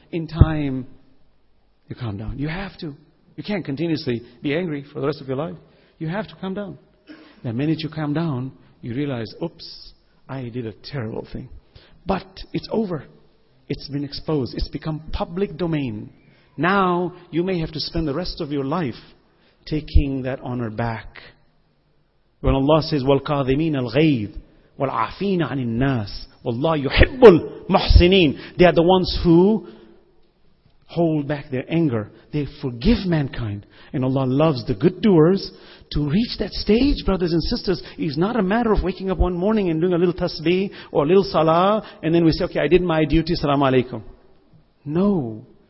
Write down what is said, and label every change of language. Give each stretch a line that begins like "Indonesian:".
English: In time, you calm down. You have to. You can't continuously be angry for the rest of your life. You have to calm down. The minute you calm down, you realize, oops, I did a terrible thing. But it's over. It's been exposed. It's become public domain. Now, you may have to spend the rest of your life taking that honor back.
Arabic: When Allah says, وَالْقَاذِمِينَ الْغَيْظِ وَالْعَافِينَ عَنِ النَّاسِ وَاللَّهُ يُحِبُّ الْمُحْسِنِينَ.
English: They are the ones who hold back their anger. They forgive mankind. And Allah loves the good doers. To reach that stage, brothers and sisters, is not a matter of waking up one morning and doing a little tasbih or a little salah, and then we say, okay, I did my duty, salam alaikum. No.